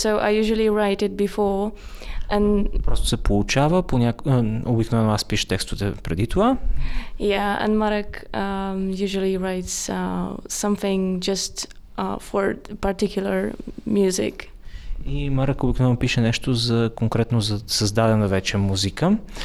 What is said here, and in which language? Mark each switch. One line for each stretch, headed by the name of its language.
English: So I usually write it before. And
Bulgarian: просто се получава по обикновено аз пиша текстовете преди това.
English: Yeah, and Marek usually writes something just for particular music.
Bulgarian: И Марек обикновено пише нещо за конкретно за създадена вече музика.